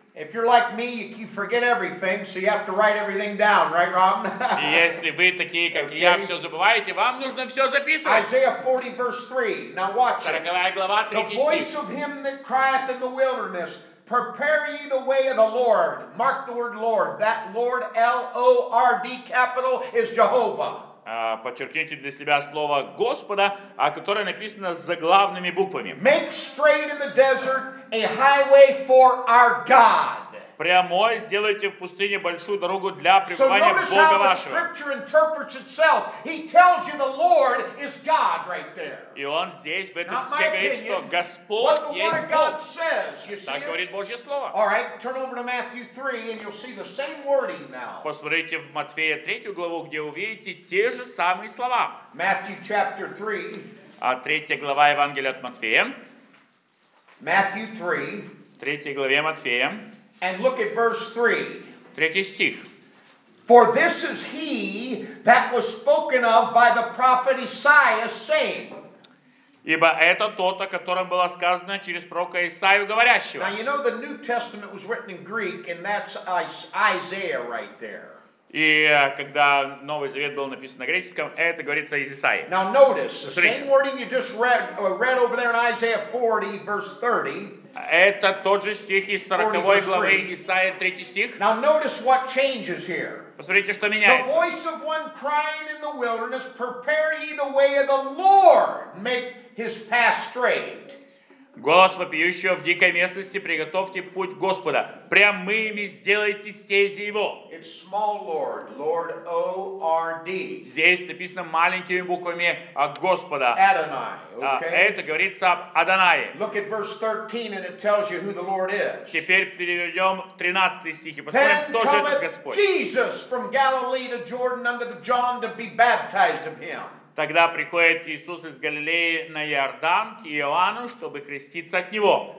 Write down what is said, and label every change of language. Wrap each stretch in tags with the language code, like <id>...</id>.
<en>If you're like me, you keep forget everything, so you have to write everything down, right, Robin?</en> <ru>Если вы такие, как okay. Я, все забываете, вам нужно все записывать.</ru> <en>Isaiah 40, verse 3. Now watch it.</en> <ru>40-я глава, 3 стих.</ru> <en>The voice of him that crieth in the wilderness, prepare ye the way of the Lord. Mark the word Lord. That Lord, L-O-R-D, capital, is Jehovah.</en> <ru>Подчеркните для себя слово Господа, о котором написано за главными буквами.</ru> <en>Make straight in the desert a highway for our God.</en> <ru>Прямой сделайте в пустыне большую дорогу для пребывания Бога вашего.</ru> <en>So notice how the scripture interprets itself. He tells you the Lord is God right there.</en> <ru>И он здесь в этом стихе говорит, что Господь есть Бог. Так говорит Божье слово.</ru> <en>All right, turn over to Matthew 3 and you'll see the same wording now.</en> <ru>Посмотрите в Матфея 3 главу, где увидите те же самые слова.</ru> <en>Matthew chapter 3.</en> <ru>А 3 глава Евангелия от Матфея.</ru> <en>Matthew 3.</en> <ru>3 главе Матфея.</ru> <en>And look at verse 3.</en> <ru>Третий стих.</ru> <en>For this is he that was spoken of by the prophet Isaiah, saying.</en> <ru>Ибо это тот, о котором было сказано через пророка Исаию говорящего.</ru> <en>Now you know the New Testament was written in Greek, and that's Isaiah right there.</en> <ru>И когда Новый Завет был написан на греческом, это говорится из Исаии.</ru> <en>Now notice, the same wording you just read over there in Isaiah 40, verse 30.</en> <ru>Это тот же стих из 40 главы Исаия, 3 стих.</ru> <en>Now notice what changes here.</en> <ru>Посмотрите, что меняется.</ru> <en>The voice of one crying in the wilderness, prepare ye the way of the Lord, make his path straight.</en> <ru>Голос вопиющего в дикой местности, приготовьте путь Господа. Прямыми сделайте стези Его.</ru> <en>It's small Lord, Lord O-R-D.</en> <ru>Здесь написано маленькими буквами Господа.</ru> <en>Adonai, okay.</en> <ru>Это говорится об Адонае.</ru> <en>Look at verse 13 and it tells you who the Lord is.</en> <ru>Теперь перейдем в 13 стих и посмотрим, кто же этот Господь.</ru> <en>Jesus from Galilee to Jordan under the John to be baptized of him.</en> <ru>Тогда приходит Иисус из Галилеи на Иордан к Иоанну, чтобы креститься от него.</ru>